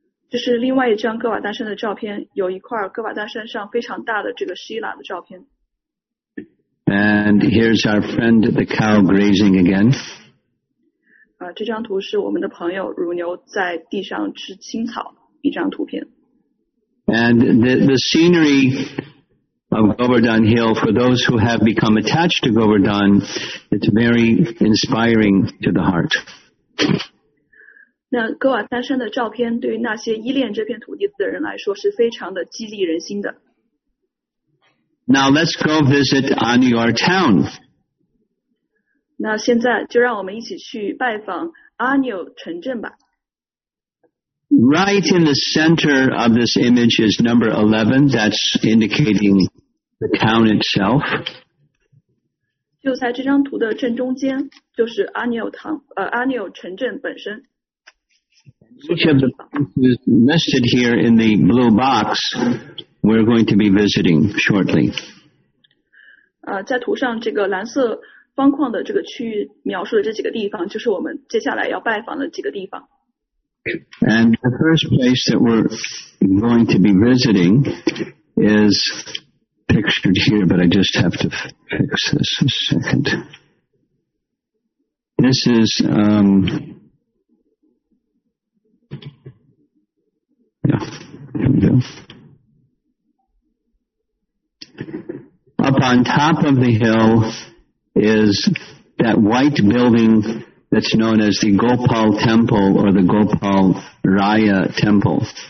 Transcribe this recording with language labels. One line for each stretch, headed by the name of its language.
Chinese: 这是另外一张哥瓦丹山的照片，有一块哥瓦丹山上非常大的这个希拉的照片。
English: And here's our friend the cow grazing again.
Chinese: 这张图是我们的朋友乳牛在地上吃青草，一张图片。
English: And the scenery of Govardhan Hill, for those who have become attached to Govardhan, it's very inspiring to the heart.
Chinese: 那哥瓦丹山的照片对于那些依恋这片土地的人来说是非常的激励人心的。
English: Now let's go visit Anuar Town.
Chinese: 那现在就让我们一起去拜访阿纽城镇吧。
English: Right in the center of this image is number 11, that's indicating the town itself.
Chinese: 就在这张图的正中间就是阿纽城镇本身。
English: Each of the places listed here in the blue box, we're going to be visiting shortly.
Chinese: 在图上这个蓝色方框的这个区域描述的这几个地方，就是我们接下来要拜访的几个地方。
English: And the first place that we're going to be visiting is pictured here, but I just have to fix this a second. This is, Up on top of the hill is that white building that's known as the Gopal Temple or the Gopal Raya Temple.